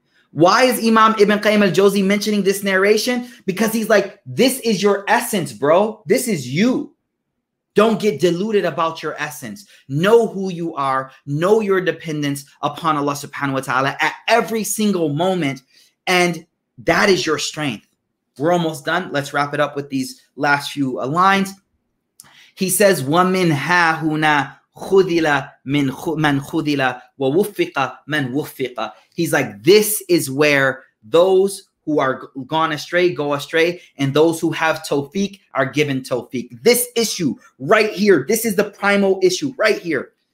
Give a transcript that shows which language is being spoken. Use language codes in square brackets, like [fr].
[en] Why is Imam Ibn Qayyim al-Jawzi mentioning this narration? Because he's like, this is your essence, bro. This is you. Don't get deluded about your essence. Know who you are. Know your dependence upon Allah subhanahu wa ta'ala at every single moment. And that is your strength. We're almost done. Let's wrap it up with these last few lines. He says, [ar] وَمِنْ هَا هُنَا خُذِلَ مَنْ خُذِلَ وَوُفِّقَ مَنْ وُفِّقَ. [en] He's like, this is where those who are gone astray, go astray. And those who have tawfiq are given tawfiq. This issue right here. This is the primal issue right here.